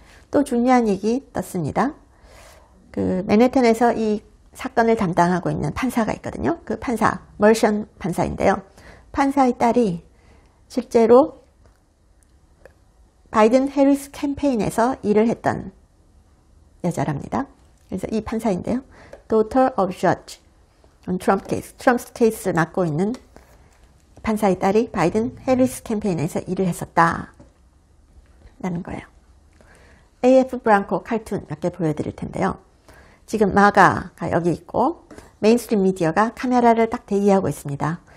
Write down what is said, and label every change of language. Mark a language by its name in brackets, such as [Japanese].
[Korean] 또 중요한 얘기 떴습니다. 그 맨해튼에서 이 사건을 담당하고 있는 판사가 있거든요. 그 판사, 머션 판사인데요. 판사의 딸이 실제로 바이든 해리스 캠페인에서 일을 했던 여자랍니다. 그래서 이 판사인데요. [English] Daughter of Judge on Trump case. [Korean] 트럼프 케이스를 맡고 있는 판사의 딸이 바이든 해리스 캠페인에서 일을 했었다. 라는 거예요. AF 브랑코 칼툰 몇개 보여드릴 텐데요. 지금 마가가 여기 있고, 메인스트림 미디어가 카메라를 딱 대기하고 있습니다.